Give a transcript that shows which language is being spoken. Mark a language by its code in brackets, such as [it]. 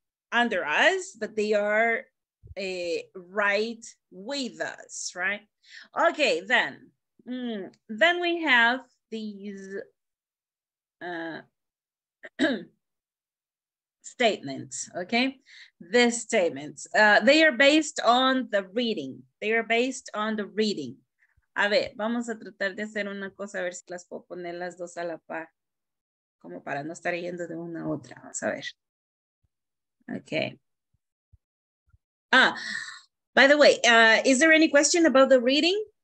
[en] under us, but they are right with us, right? Okay, then we have these statements, okay? These statements, they are based on the reading. They are based on the reading. [es] A ver, vamos a tratar de hacer una cosa, a ver si las puedo poner las dos a la par. Como para no estar yendo de una a otra. Vamos a ver. Okay. [en] By the way, is there any question about the reading?